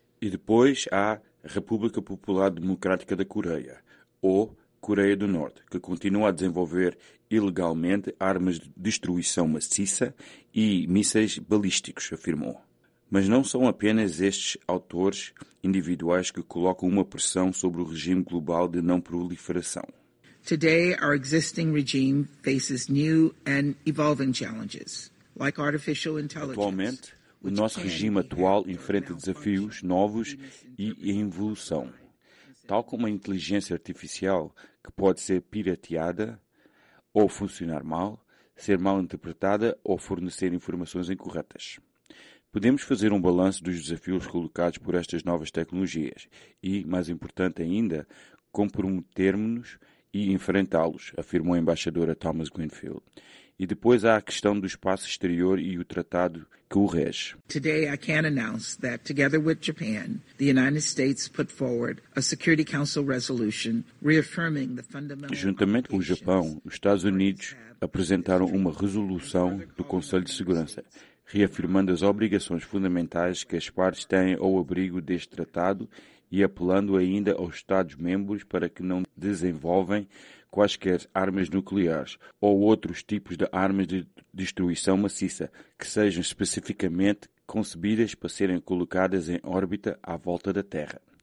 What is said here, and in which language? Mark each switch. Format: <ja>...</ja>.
<pt>E depois há a República Popular Democrática da Coreia, ou Coreia do Norte, que continua a desenvolver ilegalmente armas de destruição maciça e mísseis balísticos, afirmou. Mas não são apenas estes autores individuais que colocam uma pressão sobre o regime global de não proliferação.</pt> <en>Today, our existing regime faces new and evolving challenges, like artificial intelligence.</en> <pt>Atualmente, o nosso regime atual enfrenta desafios novos e em evolução, tal como a inteligência artificial, que pode ser pirateada ou funcionar mal, ser mal interpretada ou fornecer informações incorretas. Podemos fazer um balanço dos desafios colocados por estas novas tecnologias e, mais importante ainda, comprometermos-nos e enfrentá-los, afirmou a embaixadora Thomas Greenfield. E depois há a questão do espaço exterior e o tratado que o rege.</pt> <en>Today I can announce that together with Japan, the United States put forward a Security Council resolution reaffirming the fundamental.</en> <pt>Juntamente com o Japão, os Estados Unidos apresentaram uma resolução do Conselho de Segurança, reafirmando as obrigações fundamentais que as partes têm ao abrigo deste tratado e apelando ainda aos Estados-membros para que não desenvolvem quaisquer armas nucleares ou outros tipos de armas de destruição maciça que sejam especificamente concebidas para serem colocadas em órbita à volta da Terra.</pt>